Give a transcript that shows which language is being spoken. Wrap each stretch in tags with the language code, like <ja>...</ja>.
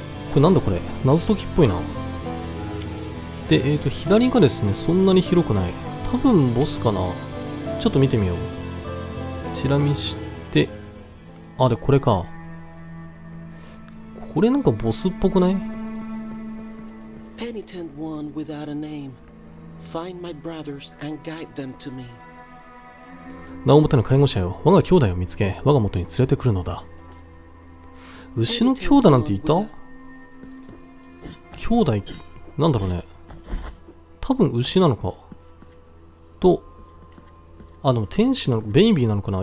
<ja>これなんだこれ、謎解きっぽいな。で、左がですね、そんなに広くない。多分ボスかな。ちょっと見てみよう。チラ見して。あ、で、これか。これなんかボスっぽくない？</ja> <en>ペニテント1 without a name. Find my brothers and guide them to me.</en> <ja>名を持たぬ介護者よ。我が兄弟を見つけ、我が元に連れてくるのだ。牛の兄弟なんていた？兄弟、なんだろうね。多分牛なのか。と、あの、天使なのか、ベイビーなのかな。</ja>